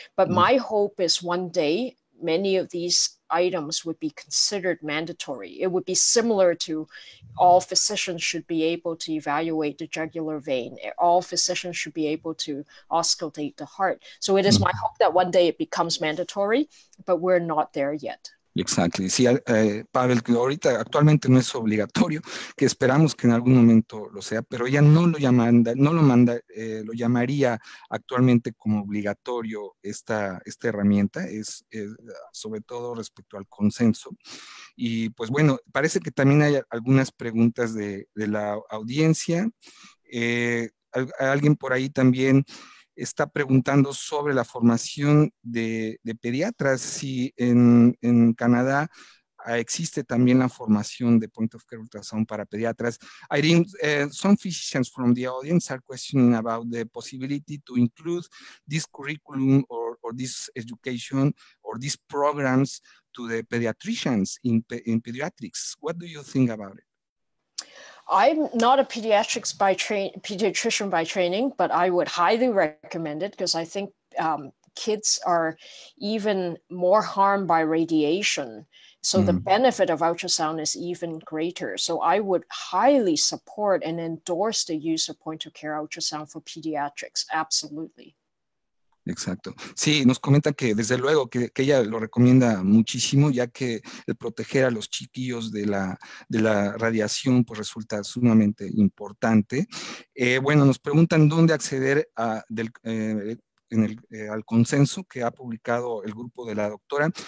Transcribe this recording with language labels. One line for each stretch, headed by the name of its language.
English: But my hope is one day many of these items would be considered mandatory. It would be similar to all physicians should be able to evaluate the jugular vein. All physicians should be able to auscultate the heart. So it is my hope that one day it becomes mandatory, but we're not there yet. Exactly.
Spanish: Sí, Pavel, que ahorita actualmente no es obligatorio, que esperamos que en algún momento lo sea, pero ella no lo llamaría actualmente como obligatorio esta herramienta, es sobre todo respecto al consenso. Y pues bueno, parece que también hay algunas preguntas de la audiencia. Alguien por ahí también está preguntando sobre la formación de pediatras, si en Canadá existe también la formación de point of care ultrasound para pediatras.
English: Irene, some physicians from the audience are questioning about the possibility to include this curriculum or this education or these programs to the pediatricians in pediatrics. What do you think about it? I'm not a pediatrician by training, but I would highly recommend it because I think kids are even more harmed by radiation. So the benefit of ultrasound is even greater. So I would highly support and endorse the use of point of care ultrasound for pediatrics. Absolutely.
Spanish: Exacto. Sí, nos comenta que desde luego que ella lo recomienda muchísimo, ya que el proteger a los chiquillos de la radiación pues resulta sumamente importante. Bueno, nos preguntan dónde acceder al consenso que ha publicado el grupo de la doctora.